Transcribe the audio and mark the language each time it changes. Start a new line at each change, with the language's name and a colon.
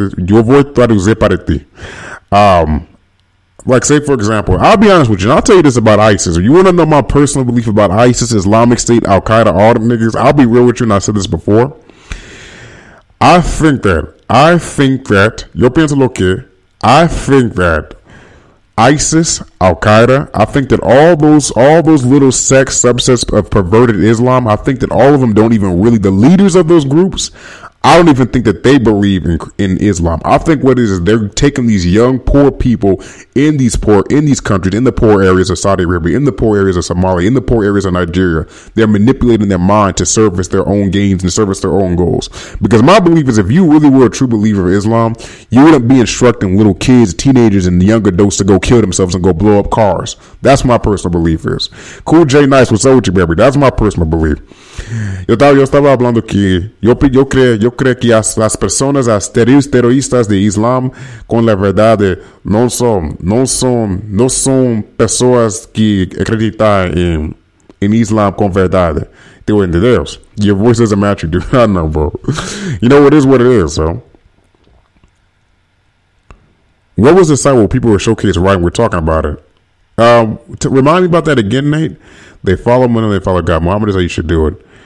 Spanish: Yo voy a traducir para ti, mi amor.
English: Like, say, for example, I'll be honest with you. I'll tell you this about ISIS. If you want to know my personal belief about ISIS, Islamic State, Al-Qaeda, all the niggas, I'll be real with you, and I said this before. I think that ISIS, Al-Qaeda, I think that all those little sects, subsets of perverted Islam, I think that all of them don't even really, the leaders of those groups, I don't even think that they believe in Islam. I think what it is they're taking these young, poor people in these countries, in the poor areas of Saudi Arabia, in the poor areas of Somalia, in the poor areas of Nigeria. They're manipulating their mind to service their own gains and service their own goals. Because my belief is if you really were a true believer of Islam, you wouldn't be instructing little kids, teenagers, and young adults to go kill themselves and go blow up cars. That's my personal belief is. Cool J Nice, what's up with you, baby? That's my personal belief.
Spanish: Yo creo que las personas terroristas de Islam con la verdad no son personas que acreditan en Islam con verdad. Te voy a entender.
English: Your voice doesn't match you, dude. I know, bro. You know, it is what it is, so. What was the site where people were showcased writing? We're talking about it. Remind me about that again, Nate. They follow Muhammad and they follow God. Muhammad is how you should do it.